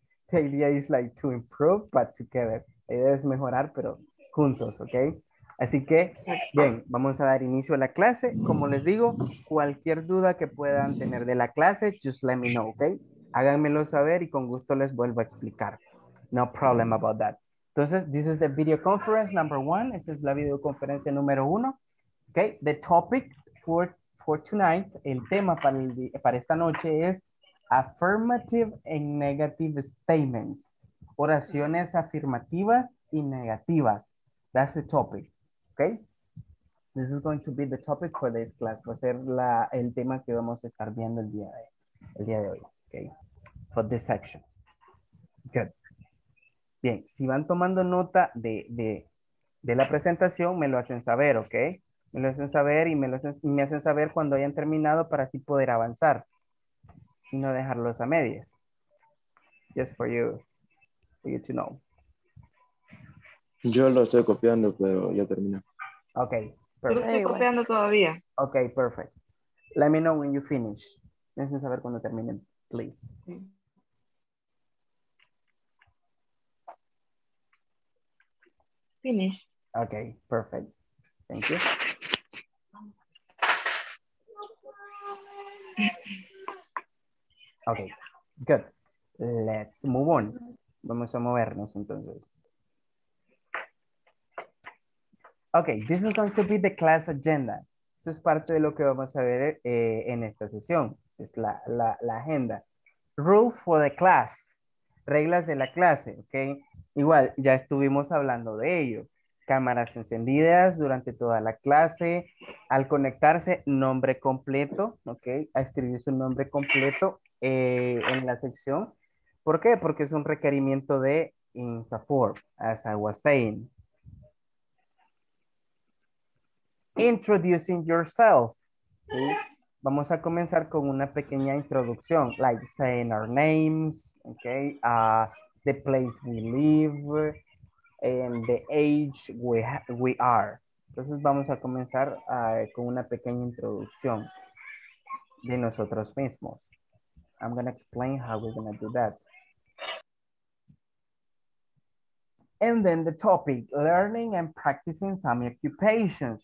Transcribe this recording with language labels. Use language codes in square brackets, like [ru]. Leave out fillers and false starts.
[en] The idea is like to improve, but together. [es] La idea es mejorar, pero juntos, ¿ok? Así que, bien, vamos a dar inicio a la clase. Como les digo, cualquier duda que puedan tener de la clase, [en] just let me know, [es] ¿ok? Háganmelo saber y con gusto les vuelvo a explicar. [en] No problem about that. Entonces, this is the video conference number 1. [es] Esta es la videoconferencia número 1. ¿Ok? [en] The topic for tonight, [es] el tema para esta noche es [en] affirmative and negative statements. [es] Oraciones afirmativas y negativas. [en] That's the topic. [es] Okay? [en] This is going to be the topic for this class. [es] Va a ser el tema que vamos a estar viendo el día de hoy. Okay? [en] For this section. [es] Good. Bien, si van tomando nota de la presentación, me lo hacen saber, okay? Me lo hacen saber y me hacen saber cuando hayan terminado para así poder avanzar. Y no dejarlos a medias. [en] Just for you to know. [es] Yo lo estoy copiando, pero ya terminé. Ok, perfecto. Yo lo estoy copiando todavía. [en] Ok, perfect. Let me know when you finish. [es] Necesito saber cuando terminen, [en] please. Okay. Finish. Ok, perfect. Thank you. Ok, good. Let's move on. [es] Vamos a movernos entonces. [en] Ok, this is going to be the class agenda. [es] Eso es parte de lo que vamos a ver en esta sesión. Es la agenda. [en] Rule for the class. [es] Reglas de la clase, ok. Igual, ya estuvimos hablando de ello. cámaras encendidas durante toda la clase. Al conectarse, nombre completo, ¿ok? A escribir su nombre completo en la sección. ¿Por qué? Porque es un requerimiento de INSAFOR, [en] as I was saying. Introducing yourself. ¿Sí? [es] Vamos a comenzar con una pequeña introducción, [en] like saying our names, okay, the place we live, and the age we are. [es] Entonces vamos a comenzar con una pequeña introducción de nosotros mismos. [en] I'm going to explain how we're going to do that. And then the topic, learning and practicing some occupations.